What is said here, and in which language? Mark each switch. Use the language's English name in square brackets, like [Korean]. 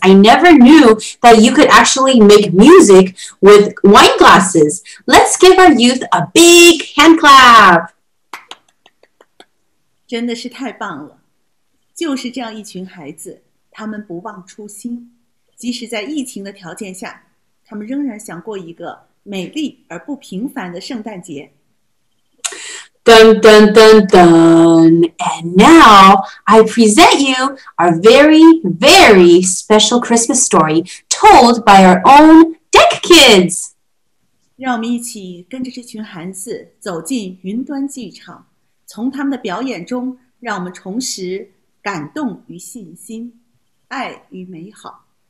[English] I never knew that you could actually make music with wine glasses. Let's give our youth a big hand clap. [Chinese] 真的是太棒了。就是这样一群孩子，他们不忘初心，即使在疫情的条件下，他们仍然想过一个美丽而不平凡的圣诞节。 Dun, dun, dun, dun. [English] And now I present you our very, very special Christmas story told by our own Deck Kids. [Chinese] 让我们一起跟着这群孩子走进云端剧场，从他们的表演中，让我们重拾感动与信心，爱与美好。